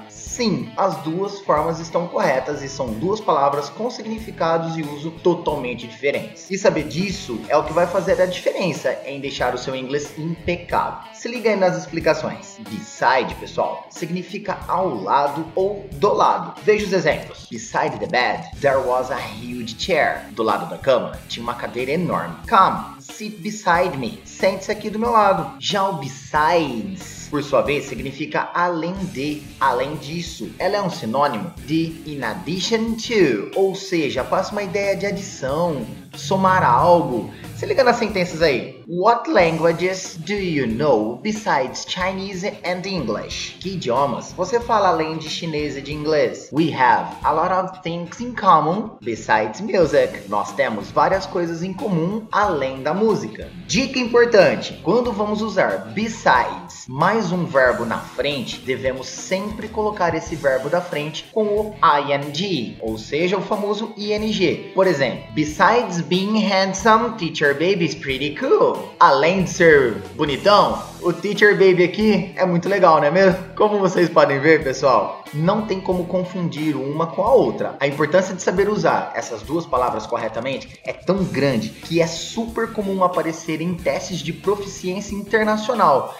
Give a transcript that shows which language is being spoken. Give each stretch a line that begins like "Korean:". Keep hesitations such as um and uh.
Portuguese: Sim, as duas formas estão corretas e são duas palavras com significados e uso totalmente diferentes. E saber disso é o que vai fazer a diferença em deixar o seu inglês impecável. Se liga aí nas explicações. Beside, pessoal, significa ao lado ou do lado. Veja os exemplos.
English: Beside the bed, there was a huge chair.
Portuguese: Do lado da cama, tinha uma cadeira enorme.
English: Come, sit beside me.
Portuguese: Sente-se aqui do meu lado. Já o besides, por sua vez, significa além de. Além disso, ela é um sinônimo de in addition to, ou seja, passa uma ideia de adição, somar algo. Se liga nas sentenças aí.
English: What languages do you know besides Chinese and English?
Portuguese: Que idiomas você fala além de chinês e de inglês?
English: We have a lot of things in common besides music.
Portuguese: Nós temos várias coisas em comum além da música. Dica importante: quando vamos usar besides mais um verbo na frente, devemos sempre colocar esse verbo da frente com o ing, ou seja, o famoso ing. Por exemplo,
English: besides being handsome, teacher baby is pretty cool.
Portuguese: Além de ser bonitão, o teacher baby aqui é muito legal, não é mesmo? Como vocês podem ver, pessoal, não tem como confundir uma com a outra. A importância de saber usar essas duas palavras corretamente é tão grande que é super comum aparecer em testes de proficiência internacional.